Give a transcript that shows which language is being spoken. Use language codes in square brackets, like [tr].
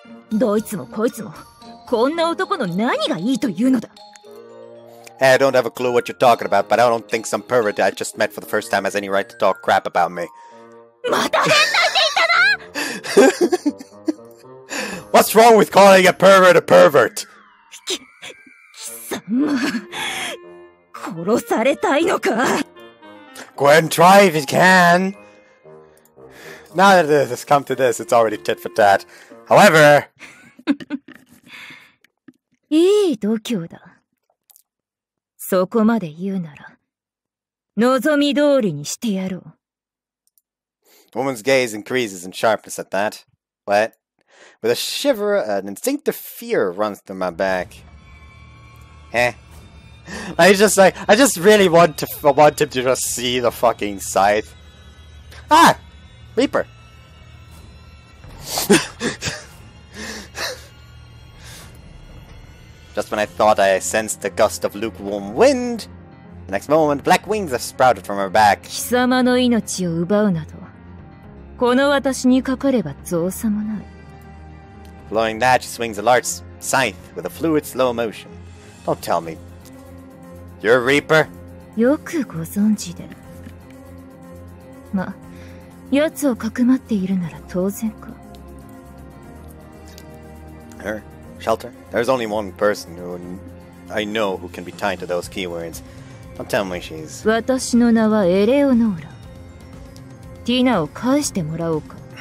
[ja] どいつもこいつもこんな男の何がいいというのだ。 [en] Hey, I don't have a clue what you're talking about, but I don't think some pervert I just met for the first time has any right to talk crap about me. [ja] また変態って言ったな。 [en] What's wrong with calling a pervert a pervert? [ja] 貴様、殺されたいのか。 [en] Go ahead and try if you can. Now that it has come to this, it's already tit for tat. However, [ja] いい度胸だ。そこまで言うなら、望み通りにしてやろう。 [en] Woman's gaze increases in sharpness at that. What? With a shiver, an instinctive fear runs through my back. Heh. I just really want him to just see the fucking scythe. Ah! Reaper! Just when I thought I sensed a gust of lukewarm wind, the next moment, black wings have sprouted from her back. [ja] 貴様の命を奪うなど、この私にかかれば造作もない。 [en] Blowing that, she swings a large scythe with a fluid slow motion. Don't tell me. You're a reaper? [ja] よくご存知で。ま、奴をかくまっているなら当然か。 [en] Her? Shelter? There's only one person who I know who can be tied to those keywords. Don't tell me she's... [ja] 私の名はエレオノーラ。ティナを返してもらおうか。